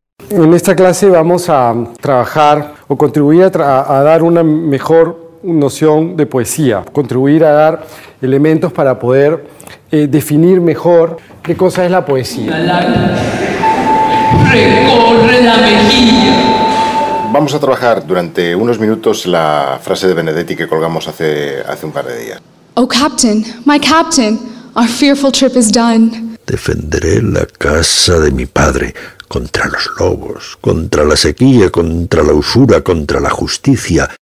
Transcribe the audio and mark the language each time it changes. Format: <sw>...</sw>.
<es>En esta clase vamos a trabajar o contribuir a dar una mejor noción de poesía, contribuir a dar elementos para poder definir mejor qué cosa es la poesía. La recorre la mejilla. Vamos a trabajar durante unos minutos la frase de Benedetti que colgamos hace un par de días.</es> <en>Oh, captain, my captain, our fearful trip is done.</en> <es>Defenderé la casa de mi padre. Contra los lobos, contra la sequía, contra la usura, contra la justicia.</es>